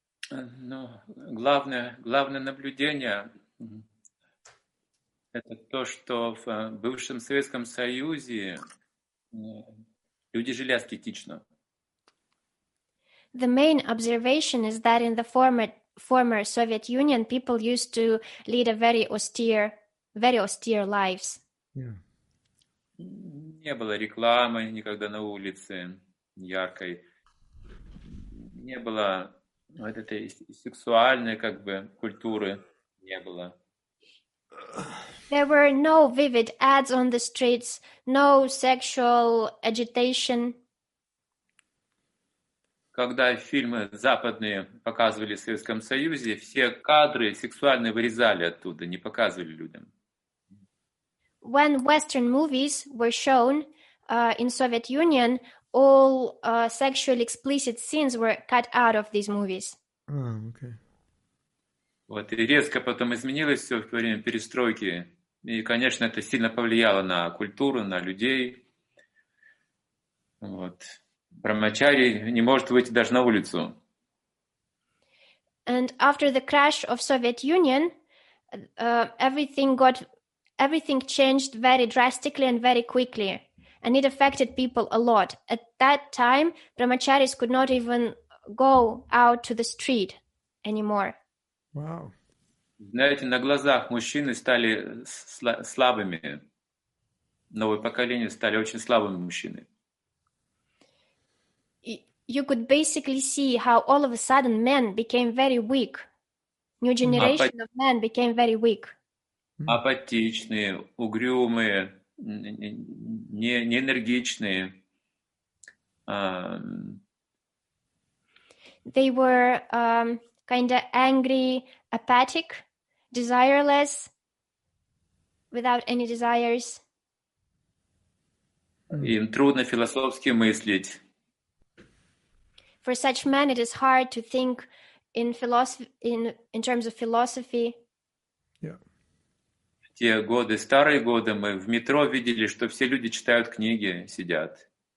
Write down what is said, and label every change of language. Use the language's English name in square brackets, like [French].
[Russian] Ну, главное наблюдение это то, что в бывшем Советском Союзе люди жили аскетично. [English] The main observation is that in the former Soviet Union, people used to lead a very austere lives. Yeah. [Russian] Не было рекламы никогда на улице яркой. Не было вот этой сексуальной как бы культуры. Не было. [English] There were no vivid ads on the streets, no sexual agitation. [Russian] Когда фильмы западные показывали в Советском Союзе, все кадры сексуальные вырезали оттуда, не показывали людям. [English] When Western movies were shown in Soviet Union, all sexually explicit scenes were cut out of these movies. Okay. [Russian] Вот, и резко потом изменилось все во время перестройки. И, конечно, это сильно повлияло на культуру, на людей. Вот. Брахмачари не может выйти даже на улицу. [English] And after the crash of Soviet Union, everything changed very drastically and very quickly, and it affected people a lot. At that time, brahmacharis could not even go out to the street anymore. Wow. [Russian] Знаете, на глазах мужчины стали слабыми. Новое поколение стали очень слабыми мужчины. [English] You could basically see how all of a sudden men became very weak. New generation of men became very weak. [Russian] Апатичные, угрюмые, неэнергичные. [English] They were kind of angry, apathetic, desireless, without any desires. [Russian] Им трудно философски мыслить. [English] For such men, it is hard to think in terms of philosophy. Yeah. [Russian] В те годы, старые годы, мы в метро видели, что все люди читают книги, сидят.